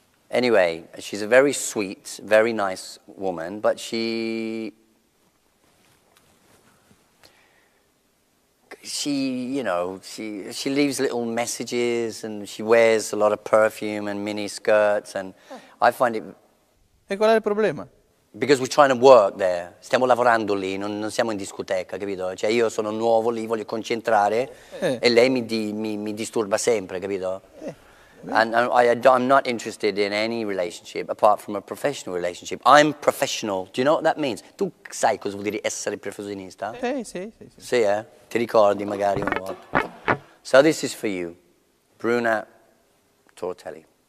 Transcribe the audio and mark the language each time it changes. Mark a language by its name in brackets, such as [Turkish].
[English] Anyway, she's a very sweet, very nice woman, but she leaves little messages and she wears a lot of perfume and mini skirts and I find it... [Italian] E qual è il problema? [English] Because we're trying to work there. [Italian] Stiamo lavorando lì, non siamo in discoteca, capito? Cioè io sono nuovo lì, voglio concentrare e lei mi disturba sempre, capito? [English] I'm not interested in any relationship apart from a professional relationship. I'm professional. Do you know what that means? [Italian] Tu sai cosa vuol dire essere professionista? Sì. Sì, eh? Ti ricordi magari un po'. [English] So this is for you. [Italian] Bruna Tortelli.